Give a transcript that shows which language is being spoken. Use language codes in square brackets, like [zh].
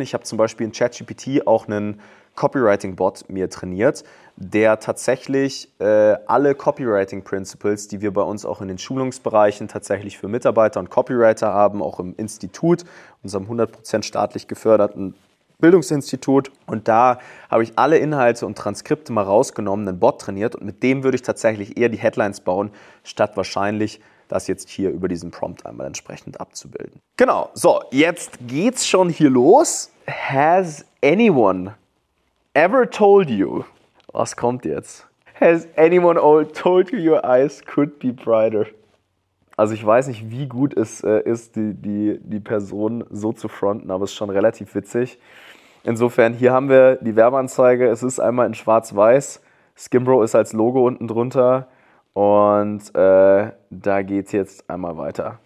[de] Ich habe zum Beispiel in ChatGPT auch einen Copywriting-Bot mir trainiert, der tatsächlich alle Copywriting-Principles, die wir bei uns auch in den Schulungsbereichen tatsächlich für Mitarbeiter und Copywriter haben, auch im Institut, unserem 100% staatlich geförderten Bildungsinstitut, und da habe ich alle Inhalte und Transkripte mal rausgenommen, einen Bot trainiert, und mit dem würde ich tatsächlich eher die Headlines bauen, statt wahrscheinlich das jetzt hier über diesen Prompt einmal entsprechend abzubilden. Genau, so, jetzt geht's schon hier los. [en] Has anyone ever told you? [de] Was kommt jetzt? [en] Has anyone told you your eyes could be brighter? [de] Also ich weiß nicht, wie gut es ist, die Person so zu fronten, aber es ist schon relativ witzig. Insofern, hier haben wir die Werbeanzeige. Es ist einmal in schwarz-weiß. Skimbrough ist als Logo unten drunter. Und da geht's jetzt einmal weiter.